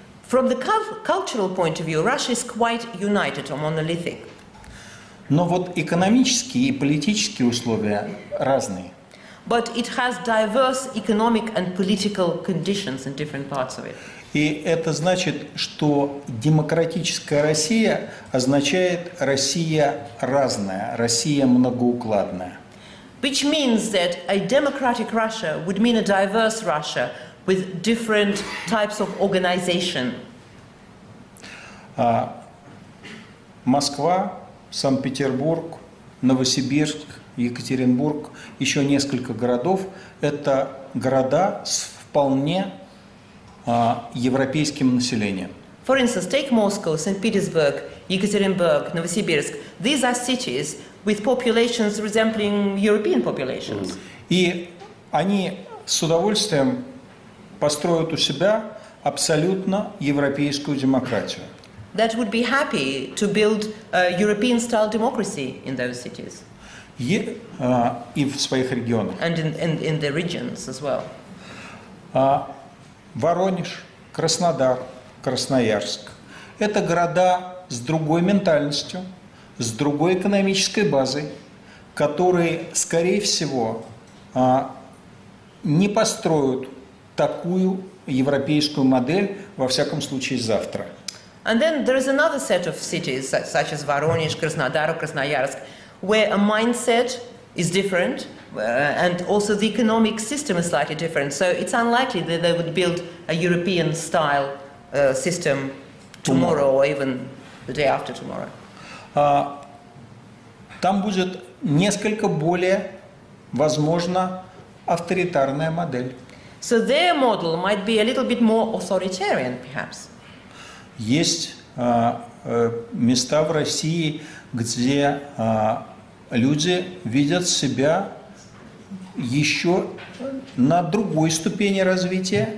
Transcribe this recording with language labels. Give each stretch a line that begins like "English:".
English: From the cultural point of view, Russia is quite united or monolithic.
Russian: Но вот экономические и политические условия разные.
English: But it has diverse economic and political conditions in different parts of it.
Russian: И это значит, что демократическая Россия означает Россия разная, Россия многоукладная.
English: Which means that a democratic Russia would mean a diverse Russia with different types of organization.
Russian: Москва, Санкт-Петербург, Новосибирск, Екатеринбург, еще несколько городов – это города с вполне европейским населением.
English: For instance, take Moscow, St. Petersburg, Екатеринбург, Новосибирск. These are cities with populations resembling European populations.
Russian: И они с удовольствием построят у себя абсолютно европейскую демократию.
English: That would be happy to build a European-style democracy in those cities.
Russian: И в своих регионах.
English: And in the regions as well.
Russian: Воронеж, Краснодар, Красноярск. Это города с другой ментальностью, с другой экономической базой, которые, скорее всего, не построят такую европейскую модель, во всяком случае, завтра.
English: And then there is another set of cities, such as Voronezh, Krasnodar, or Krasnoyarsk, where a mindset is different, and also the economic system is slightly different. So it's unlikely that they would build a European-style system tomorrow, or even the day after tomorrow.
Russian: Там будет несколько более, возможно, авторитарная модель.
English: So their model might be a little bit more authoritarian, perhaps.
Russian: Есть места в России, где люди видят себя еще на другой ступени развития.